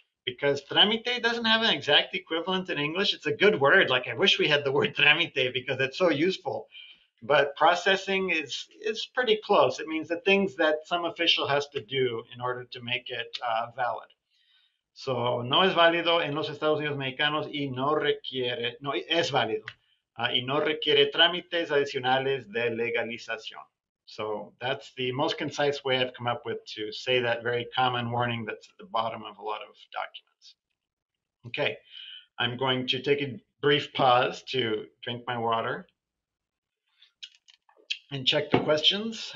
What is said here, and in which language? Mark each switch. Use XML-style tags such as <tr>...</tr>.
<en>because tramite doesn't have an exact equivalent in English. It's a good word. Like, I wish we had the word tramite because it's so useful. But processing is pretty close. It means the things that some official has to do in order to make it valid.</en> <es>So no es válido en los Estados Unidos Mexicanos y no requiere, no es válido y no requiere trámites adicionales de legalización.</es> <en>So that's the most concise way I've come up with to say that very common warning that's at the bottom of a lot of documents. Okay, I'm going to take a brief pause to drink my water and check the questions.</en>